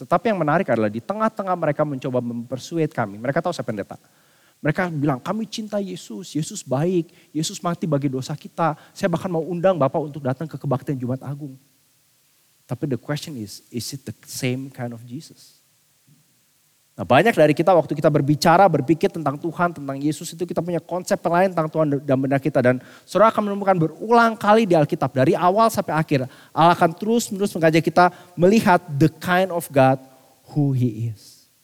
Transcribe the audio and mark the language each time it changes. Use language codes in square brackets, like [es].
[id] Tetapi yang menarik adalah di tengah-tengah mereka mencoba mempersuade kami. Mereka tahu saya pendeta. Mereka bilang, kami cinta Yesus, Yesus baik, Yesus mati bagi dosa kita. Saya bahkan mau undang Bapak untuk datang ke kebaktian Jumat Agung. Tapi [en] the question is it the same kind of Jesus? [id] Nah, banyak dari kita waktu kita berbicara, berpikir tentang Tuhan, tentang Yesus, itu kita punya konsep yang lain tentang Tuhan dan benda kita. Dan saudara akan menemukan berulang kali di Alkitab, dari awal sampai akhir, Allah akan terus-menerus mengajak kita melihat [en] the kind of God who he is.